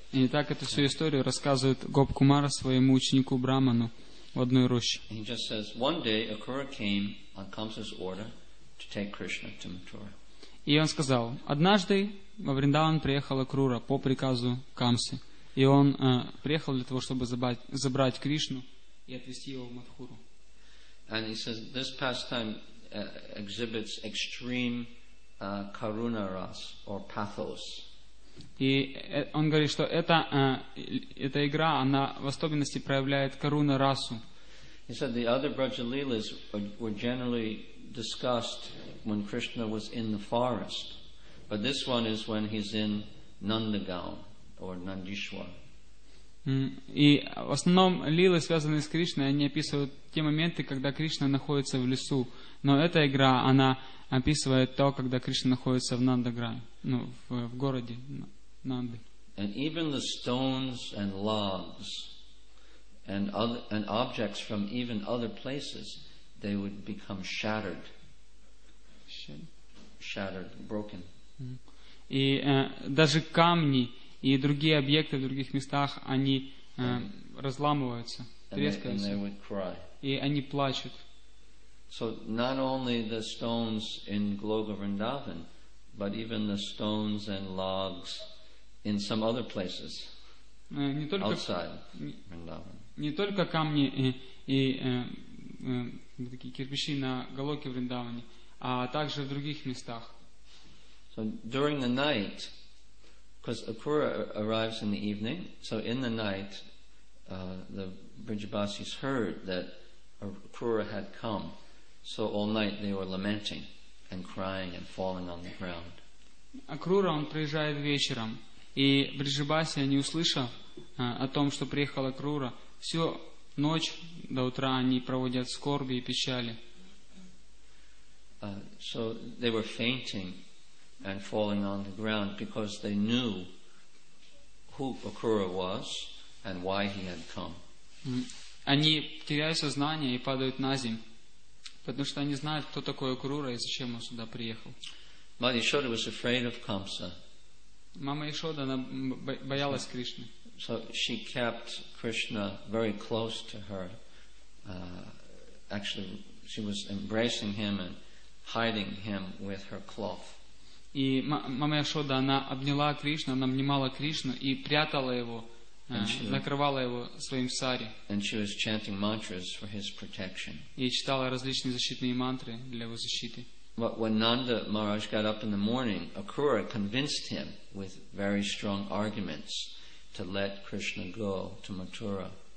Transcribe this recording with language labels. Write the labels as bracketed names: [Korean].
[Russian] И так эту всю историю рассказывает Гоп Кумара своему ученику Браману в одной роще. [English] He just says, one day Akura came on Kamsa's order to take Krishna to Mathura. [Russian] И он сказал, однажды во Вриндаван приехала Акрура по приказу Камсы. И он приехал для того, чтобы забрать Кришну и отвезти его в Матхуру. [English] And he says, this pastime exhibits extreme karuna ras or pathos. [Russian] И он говорит, что эта игра, она в особенности проявляет каруна расу. [English] He said the other Braja Leelas were generally discussed when Krishna was in the forest, but this one is when he's in Nandagaon or Nandishwar. [Russian] И в основном лилы, связанные с Кришной, они описывают те моменты, когда Кришна находится в лесу. Но эта игра, она описывает то, когда Кришна находится в Нандаграме, ну, в городе Нанды. [English] And even the stones and logs and other, and objects from even other places, they would become shattered. Shattered, broken. [Russian] И даже камни и другие объекты в других местах, они разламываются, трескаются. И они плачут. [English] So not only the stones in Gloka Vrindavan, but even the stones and logs in some other places outside Vrindavan. [Russian] Не только камни и такие кирпичи на Голоке Вриндаване, а также в других местах. [English] So during the night, because Akura arrives in the evening, so in the night, the Brijabasis heard that Akura had come. So all night they were lamenting and crying and falling on the ground. [Russian] Акрура, он приезжает вечером, и Бриджабаси, они услышав о том, что приехала Акрура, всю ночь до утра они проводят скорби и печали. [English] So they were fainting and falling on the ground because they knew who Akrura was and why he had come. [Russian] Они теряют сознание и падают на землю, потому что они знают, кто такой Акрура и зачем он сюда приехал. [English] Мама Яшода was afraid of Kamsa. [Russian] Мама Яшода, она боялась Кришны. [English] So she kept Krishna very close to her. Actually, she was embracing him and hiding him with her cloth. [Russian] И мама Яшода, она обняла Кришну, она обнимала Кришну и прятала его, накрывала его своим сари. [English] And she was chanting mantras for his protection. [Russian] И читала различные защитные мантры для его защиты. [English] But when Nanda Maharaj got up in the morning, Akura convinced him with very strong arguments to let Krishna go to Mathura.